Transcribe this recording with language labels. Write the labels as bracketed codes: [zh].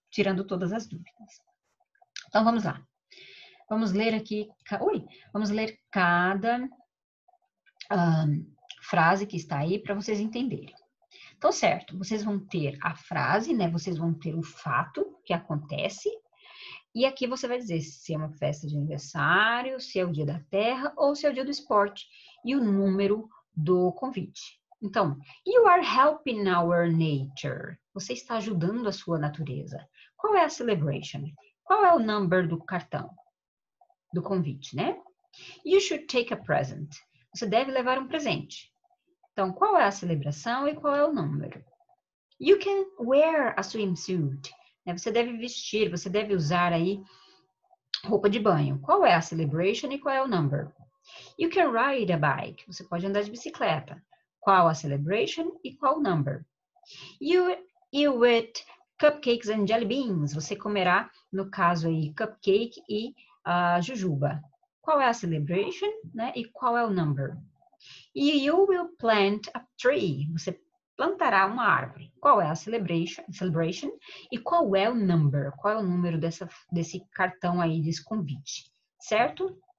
[pt] Tirando todas as dúvidas. Então, vamos lá. Vamos ler aqui, vamos ler cada frase que está aí para vocês entenderem. Então, certo, vocês vão ter a frase, né? Vocês vão ter o fato que acontece. E aqui você vai dizer se é uma festa de aniversário, se é o dia da terra ou se é o dia do esporte. E o número do convite. Então, [en] you are helping our nature. [pt] Você está ajudando a sua natureza. Qual é a celebration? Qual é o number do cartão? Do convite, né? [en] You should take a present. [pt] Você deve levar um presente. Então, qual é a celebração e qual é o número? [en] You can wear a swimsuit. [pt] Né? Você deve vestir, você deve usar aí Roupa de banho. Qual é a celebration e qual é o number? [en] You can ride a bike. [pt] Você pode andar de bicicleta. Qual a celebration e qual o number? [en] You eat cupcakes and jelly beans. [pt] Você comerá, no caso aí, cupcake e jujuba. Qual é a celebration, né? E qual é o number? [en] You will plant a tree. [pt] Você plantará uma árvore. Qual é a celebration? E qual é o number? Qual é o número desse cartão aí, desse convite? Certo?